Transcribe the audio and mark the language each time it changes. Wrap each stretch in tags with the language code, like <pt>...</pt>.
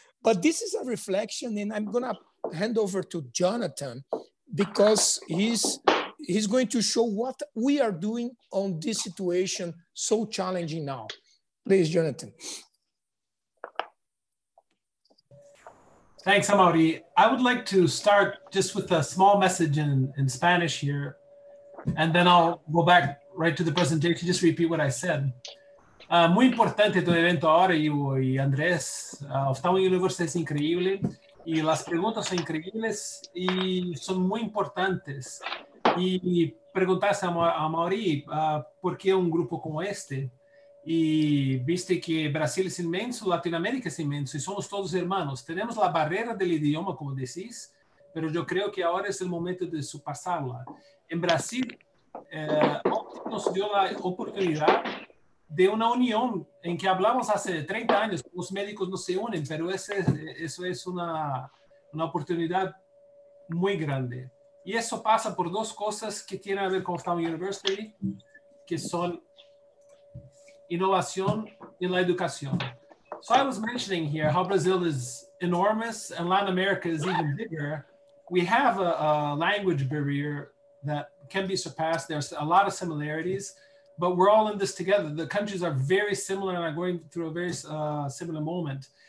<en>But this is a reflection, and I'm gonna hand over to Jonathan because he's going to show what we are doing on this situation so challenging now. Please, Jonathan. Thanks, Amaury. I would like to start just with a small message in Spanish here, and then I'll go back right to the presentation, just repeat what I said.</en> <es>Muy importante tu evento ahora, Ivo y Andrés. Oftalmo University es increíble, y las preguntas son increíbles, y son muy importantes. Y preguntaste a Amaury, ¿por qué un grupo como este? Y viste que Brasil es inmenso, Latinoamérica es inmenso y somos todos hermanos. Tenemos la barrera del idioma, como decís, pero yo creo que ahora es el momento de superarla. En Brasil, nos dio la oportunidad de una unión en que hablamos hace 30 años. Los médicos no se unen, pero eso es una oportunidad muy grande. Y eso pasa por dos cosas que tienen a ver con Stanford University, que son innovación en la educación.</es> <en>So I was mentioning here how Brazil is enormous and Latin America is even bigger. We have a language barrier that can be surpassed. There's a lot of similarities, but we're all in this together. The countries are very similar and are going through a very similar moment.</en>